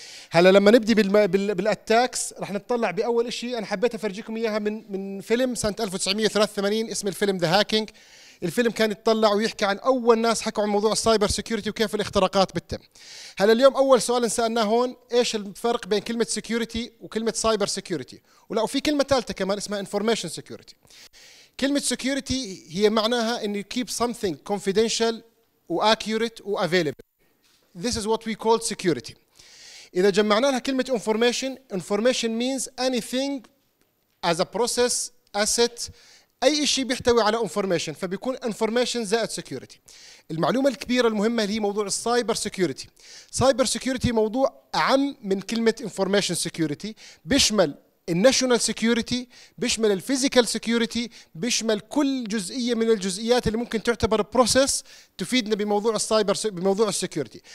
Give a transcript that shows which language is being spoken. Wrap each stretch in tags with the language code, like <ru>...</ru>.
<ar>هلا لما نبدي بالاتاكس راح نطلع باول شيء انا حبيت افرجيكم اياها من فيلم سنه 1983، اسم الفيلم ذا هاكينج. الفيلم كان يتطلع ويحكي عن اول ناس حكوا عن موضوع السايبر سكيورتي وكيف الاختراقات بتتم. هلا اليوم اول سؤال سالناه هون ايش الفرق بين كلمه سكيورتي وكلمه سايبر سكيورتي، ولا وفي كلمه ثالثه كمان اسمها انفورميشن سكيورتي.</ar> <en>كلمة security</en> <ar>هي معناها أن</ar> <en>you keep something confidential و accurate و available. This is what we call security.</en> <ar>إذا جمعنا لها كلمة</ar> <en>information, information means anything as a process, asset,</en> <ar>أي شيء بيحتوي على</ar> <en>information.</en> <ar>فبيكون information زائد security. المعلومة الكبيرة المهمة هي موضوع cyber security. Cyber security موضوع أعم من كلمة information security. بيشمل الناشونال سيكيورتي، بيشمل الفيزيكال سيكيورتي، بيشمل كل جزئيه من الجزئيات اللي ممكن تعتبر بروسيس تفيدنا بموضوع السايبر بموضوع السيكيورتي.</ar>